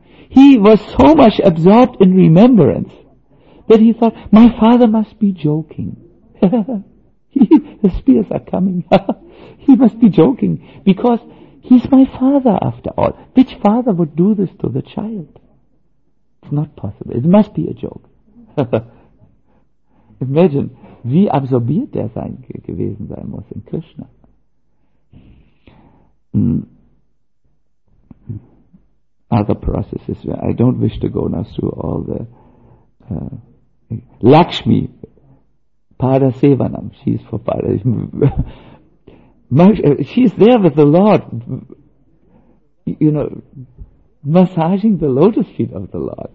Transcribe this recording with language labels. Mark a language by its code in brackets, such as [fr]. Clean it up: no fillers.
[en] He was so much absorbed in remembrance that he thought, my father must be joking. The spears are coming. He must be joking, because he's my father after all. Which father would do this to the child? It's not possible. It must be a joke. Imagine, [de] wie absorbiert der sein gewesen sein muss in Krishna. [en] Other processes, I don't wish to go now through all the... Lakshmi, Parasevanam, she's for Parasevanam. She's there with the Lord, you know, massaging the lotus feet of the Lord.